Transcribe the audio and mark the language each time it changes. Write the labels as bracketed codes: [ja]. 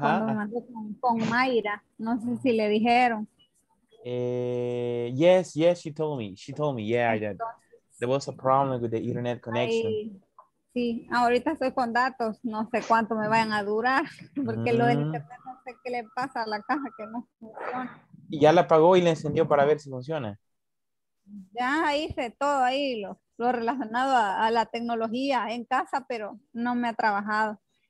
[es] Cuando me mandé con Mayra, no sé si le dijeron. [en] Yes, she told me, yeah, I did. There was a problem with the internet connection. [es] Sí, ahorita estoy con datos, no sé cuánto me vayan a durar, porque lo del internet no sé qué le pasa a la caja, que no funciona. Y ya la apagó y la encendió para ver si funciona. Ya hice todo ahí, lo relacionado a la tecnología en casa, pero no me ha trabajado.